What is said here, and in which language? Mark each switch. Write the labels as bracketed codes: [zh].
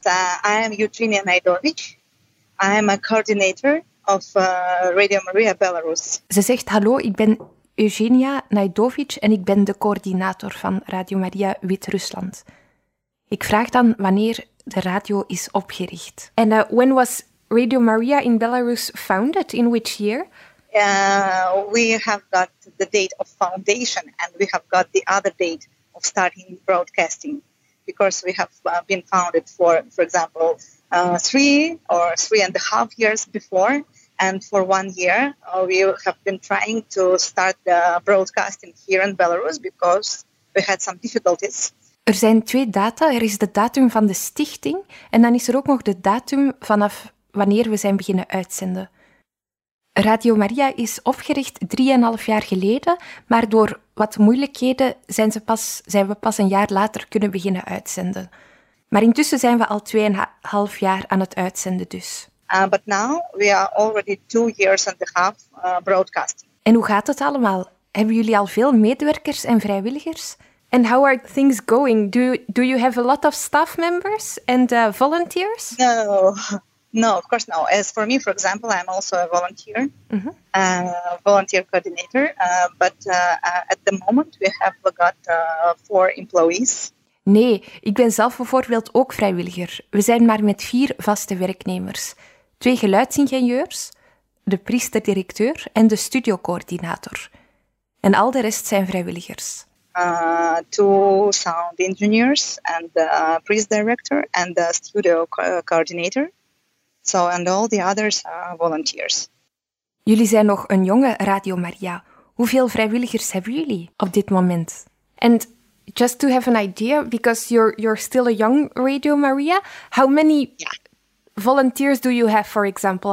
[en] I am Eugenia Najdovic. I am a coordinator of Radio Maria Belarus. [nl] Ze zegt, hallo, ik ben Eugenia Najdovic en ik ben de coördinator van Radio Maria Wit-Rusland. Ik vraag dan wanneer de radio is opgericht. [en] En when was Radio Maria in Belarus founded? In which year? We have got the date of foundation and we have got the other date of starting broadcasting because we have been founded for example, three and a half years before. And for 1 year, we have been trying to start the broadcasting here in Belarus because we had some difficulties. [nl] Er zijn twee data. Er is de datum van de stichting en dan is er ook nog de datum vanaf wanneer we zijn beginnen uitzenden. Radio Maria is opgericht 3,5 jaar geleden, maar door wat moeilijkheden zijn we pas een jaar later kunnen beginnen uitzenden. Maar intussen zijn we al 2,5 jaar aan het uitzenden dus. [en] But now we are already 2 years and a half broadcasting. [nl] En hoe gaat het allemaal? Hebben jullie al veel medewerkers en vrijwilligers? [en] And how are things going? Do you have a lot of staff members and volunteers? No, of course not. As for me, for example, I'm also a volunteer, volunteer coordinator. At the moment we have got 4 employees. [nl] Nee, ik ben zelf bijvoorbeeld ook vrijwilliger. We zijn maar met 4 vaste werknemers. 2 geluidsingenieurs, de priester-directeur en de studiocoördinator. En al de rest zijn vrijwilligers. [en] 2 sound engineers and the priest-director and the studio-coordinator. So, and all the others are volunteers. [nl] Jullie zijn nog een jonge Radio Maria. Hoeveel vrijwilligers hebben jullie op dit moment? [en] And just to have an idea, because you're still a young Radio Maria, how many volunteers do you have, for example?